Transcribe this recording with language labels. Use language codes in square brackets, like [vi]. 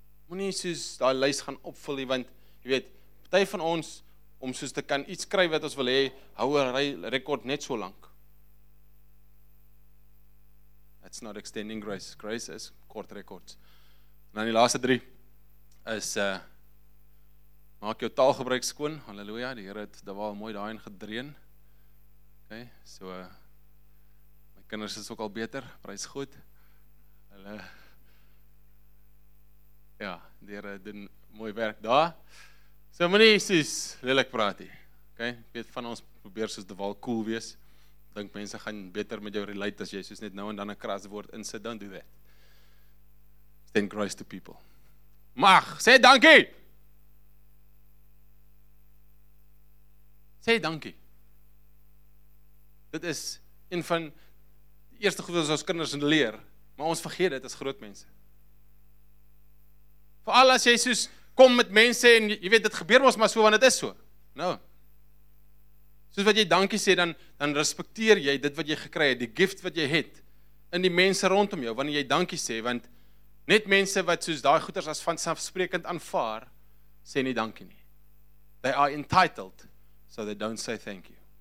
[af] Moenie soos daai lys gaan opvul nie, want jy weet, party van ons om soos te kan iets skryf wat ons wil hê, hou 'n record net so lank. [en] That's not extending grace. [af] Grace is kort records. En dan die laaste 3 is Maak jou taalgebruik skoon. Halleluja. Die Here het dit al mooi daarin gedreun. OK. So my kinders is ook al beter. Prys God. Hulle ja, die Here doen mooi werk daar. So moenie soos lelik praat nie. OK. Weet van ons probeer soos dit al cool wees. Dink mense gaan beter met jou relate as jy soos net nou en dan 'n kras woord insit. [en] Don't do that. Send grace to people. [af] Mag, sê dankie. Sê dankie. Dit is een van die eerste goed wat ons kinders leer, maar ons vergeet dit as groot mense. Veral as jy soos kom met mense en jy weet dit gebeur ons maar so want dit is so. Nou. Soos wat jy dankie sê dan respekteer jy dit wat jy gekry het, die gift wat jy het in die mense rondom jou wanneer jy dankie sê want net mense wat soos daai goeters as vanselfsprekend aanvaar, sê nie dankie nie. [en] They are entitled, so they don't say thank you.